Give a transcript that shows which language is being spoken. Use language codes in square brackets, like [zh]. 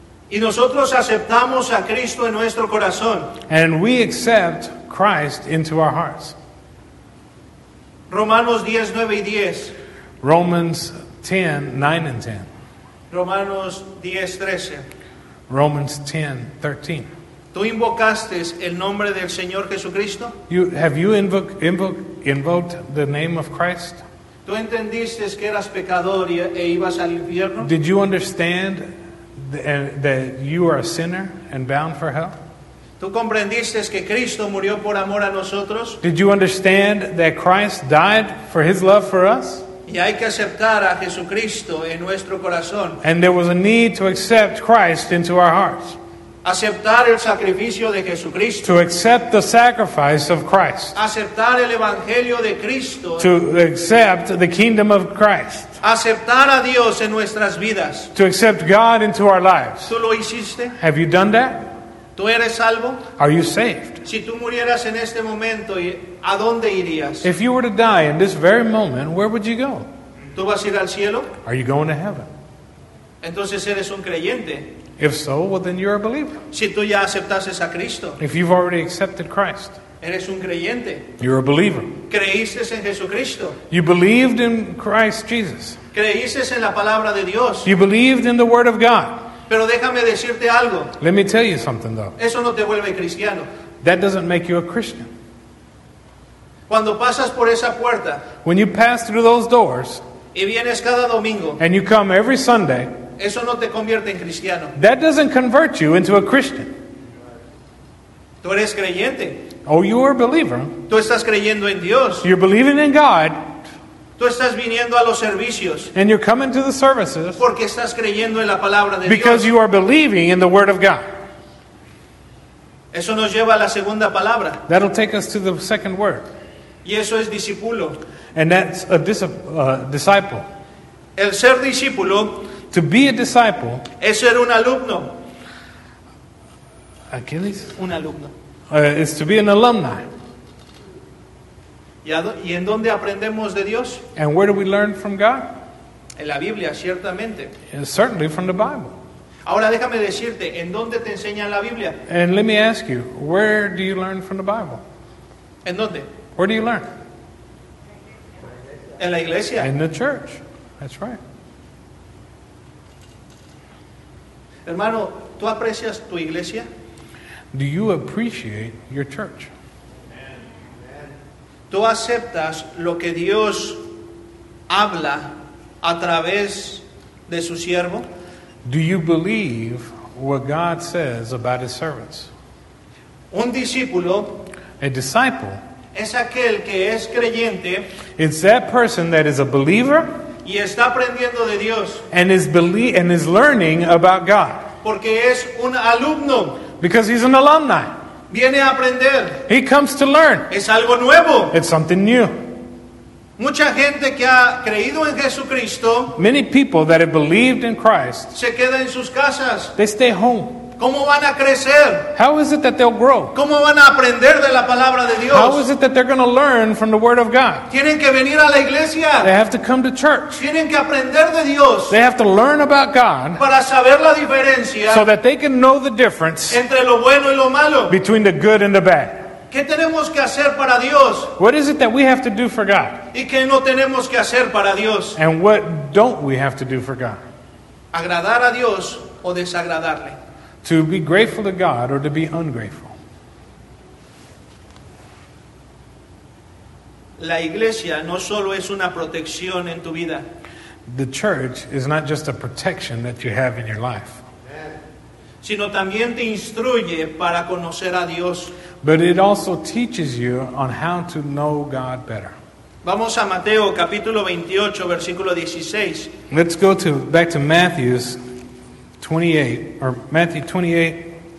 [es] Y nosotros aceptamos a Cristo en nuestro corazón. [en] And we accept Christ into our hearts. [es] Romanos 10:9-10. [en] Romans 10:9-10. [es] Romanos 10:13. [en] Romans 10:13. [es] ¿Tú invocaste el nombre del Señor Jesucristo? [en] Have you invoked the name of Christ? [es] ¿Tú entendiste que eras pecador e ibas al infierno? [en] Did you understand that you are a sinner and bound for hell? [es] ¿Tú comprendiste que Cristo murió por amor a nosotros? [en] Did you understand that Christ died for his love for us? [es] Y hay que aceptar a Jesucristo en nuestro corazón. [en] And there was a need to accept Christ into our hearts. [es] Aceptar el sacrificio de Jesucristo. [en] To accept the sacrifice of Christ. [es] Aceptar el evangelio de Cristo. [en] To accept the kingdom of Christ. [es] Aceptar a Dios en nuestras vidas. [en] To accept God into our lives. [es] ¿Tú lo hiciste? [en] Have you done that? [es] ¿Tú eres salvo? [en] Are you saved? [es] Si tú murieras en este momento, ¿a dónde irías? [en] If you were to die in this very moment, where would you go? [es] ¿Tú vas a ir al cielo? [en] Are you going to heaven? [es] Entonces eres un creyente. [en] If so, well then you're a believer. [es] Si tú ya aceptaste a Cristo. [en] If you've already accepted Christ. [es] Eres un creyente. [en] You're a believer. [es] Creíste en Jesucristo. [en] You believed in Christ Jesus. [es] Creíste en la palabra de Dios. [en] You believed in the word of God. [es] Pero déjame decirte algo. [en] Let me tell you something though. [es] Eso no te vuelve cristiano. [en] That doesn't make you a Christian. [es] Cuando pasas por esa puerta. [en] When you pass through those doors. [es] Y vienes cada domingo. [en] And you come every Sunday. [es] Eso no te convierte en cristiano. [en] That doesn't convert you into a Christian. [es] Tú eres creyente. [en] Oh, you are a believer. [es] Tú estás creyendo en Dios. [en] You're believing in God. [es] Tú estás viniendo a los servicios. [en] And you're coming to the services. [es] Porque estás creyendo en la palabra de Dios. [en] Because you are believing in the word of God. [es] Eso nos lleva a la segunda palabra. [en] That'll take us to the second word. [es] Y eso es discípulo. [en] And that's a disciple. [es] El ser discípulo. [en] To be a disciple. [es] Es ser un alumno. [en] Achilles? [es] Un alumno. [en] It's to be an alumni. [es] ¿Y en dónde aprendemos de Dios? [en] And where do we learn from God? [es] En la Biblia, ciertamente. [en] And certainly from the Bible. [es] Ahora déjame decirte, ¿en dónde te enseñan la Biblia? [en] And let me ask you, where do you learn from the Bible? [es] ¿En dónde? [en] Where do you learn? [es] En la iglesia. [en] In the church. That's right. [es] Hermano, ¿tú aprecias tu iglesia? [en] Do you appreciate your church? [es] ¿Tú aceptas lo que Dios habla a través de su siervo? [en] Do you believe what God says about his servants? [es] Un discípulo, [en] a disciple, [es] es aquel que es creyente, [en] it's that person that is a believer, [es] y está aprendiendo de Dios, [en] and is learning about God. [es] Porque es un alumno. [en] Because he's an alumni. [es] Viene a aprender. [en] He comes to learn. [es] Es algo nuevo. [en] It's something new. [es] Mucha gente que ha creído en Jesucristo, [en] many people that have believed in Christ, [es] se queda en sus casas. [en] They stay home. [es] ¿Cómo van a crecer? [en] How is it that they'll grow? [es] ¿Cómo van a aprender de la palabra de Dios? [en] How is it that they're going to learn from the Word of God? [es] Tienen que venir a la iglesia. [en] They have to come to church. [es] Tienen que aprender de Dios. [en] They have to learn about God. [es] Para saber la diferencia. [en] So that they can know the difference. [es] Entre lo bueno y lo malo. [en] Between the good and the bad. [es] ¿Qué tenemos que hacer para Dios? [en] What is it that we have to do for God? [es] ¿Y qué no tenemos que hacer para Dios? [en] And what don't we have to do for God? [es] ¿Agradar a Dios o desagradarle? [en] To be grateful to God or to be ungrateful. [es] La iglesia no solo es una protección en tu vida. [en] The church is not just a protection that you have in your life. [es] Sino también te instruye para conocer a Dios. [en] But it also teaches you on how to know God better. [es] Vamos a Mateo capítulo 28, versículo 16. [en] Let's go back to Matthew's 28, or Matthew 28,